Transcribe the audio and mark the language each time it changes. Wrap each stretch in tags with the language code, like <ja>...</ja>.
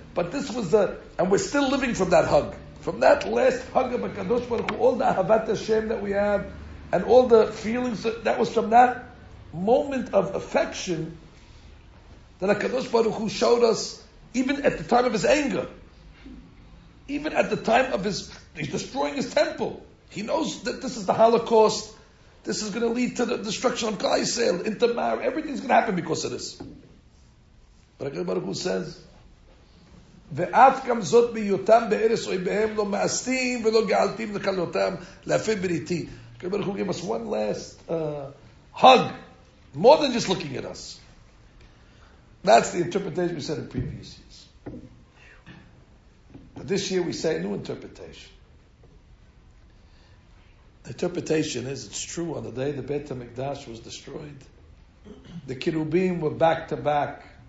<en>But this was the, and we're still living from that hug. From that last hug of HaKadosh Baruch Hu, all the Ahavat Hashem that we have, and all the feelings, that was from that moment of affection that HaKadosh Baruch Hu showed us, even at the time of his anger. Even at the time of he's destroying his temple. He knows that this is the Holocaust, this is going to lead to the destruction of Klal Yisrael, intermarriage, everything's going to happen because of this. But HaKadosh Baruch Hu says,</en> <he>ואף גם זאת ביותם בארץ אויביהם לא מאסתים ולא געלתים לקלותם להפי בריתי. כבר הוא גיב</he> <en>us one last hug, more than just looking at us. That's the interpretation we said in previous years. But this year we say a new interpretation. The interpretation is, it's true, on the day the Beit HaMikdash was destroyed, the Kirubim were back to back.</en>